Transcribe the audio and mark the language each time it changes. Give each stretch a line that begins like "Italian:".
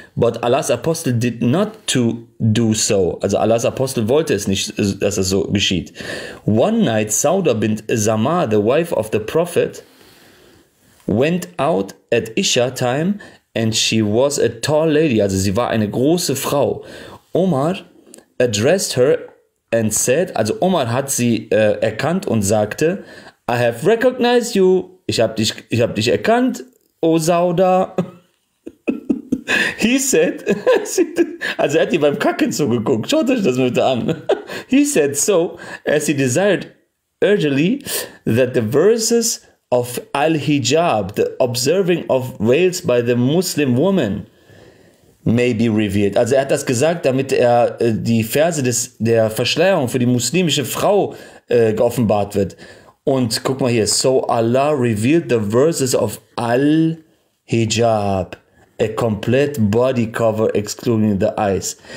English: But Allahs Apostel did not to do so.
German: Also Allahs Apostel wollte es nicht, dass es so geschieht.
English: One night, Sauda bint Zamar, the wife of the prophet, went out at Isha time and she was a tall lady.
German: Also sie war eine große Frau.
English: Umar addressed her and said,
German: also Umar hat sie erkannt und sagte,
English: I have recognized you.
German: Ich hab dich erkannt, O Sauda.
English: He said,
German: also er hat ihr beim Kacken zugeguckt. Schaut euch das bitte an.
English: He said so, as he desired urgently that the verses of Al-Hijab, the observing of veils by the Muslim woman, may be revealed.
German: Also er hat das gesagt, damit er die Verse der Verschleierung für die muslimische Frau geoffenbart wird. Und guck mal hier,
English: so Allah revealed the verses of Al-Hijab, a complete body cover excluding the eyes.